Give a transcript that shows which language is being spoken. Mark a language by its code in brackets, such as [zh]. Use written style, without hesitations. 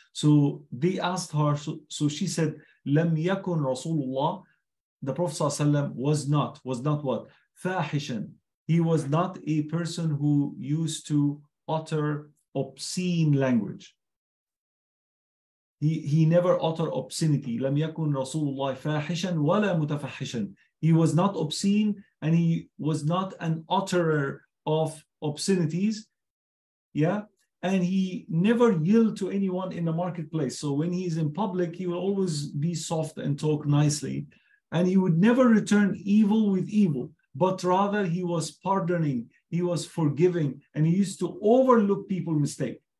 [en] So they asked her, so she said, [ar] لم يكن رسول الله, [en] the Prophet sallallahu alayhi wa sallam was not what? [ar] فاحشن. [en] He was not a person who used to utter obscene language. He never uttered obscenity. [ar] لم يكن رسول الله فاحشن ولا متفحشن. [en] He was not obscene and he was not an utterer of obscenities. Yeah. And he never yielded to anyone in the marketplace. So when he's in public, he will always be soft and talk nicely. And he would never return evil with evil, but rather he was pardoning, he was forgiving, and he used to overlook people's mistake.